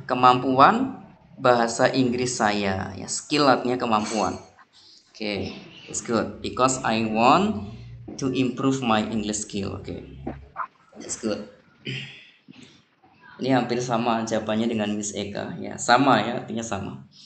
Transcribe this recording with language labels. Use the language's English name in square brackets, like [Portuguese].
[Indonesian] Kemampuan bahasa Inggris saya. Ya. Skill artinya kemampuan. Oke, [English] okay. That's good. Because I want to improve my English skill. Oke, okay. That's good. [Indonesian] Ini hampir sama jawabannya dengan Miss Eka, ya sama ya, artinya sama.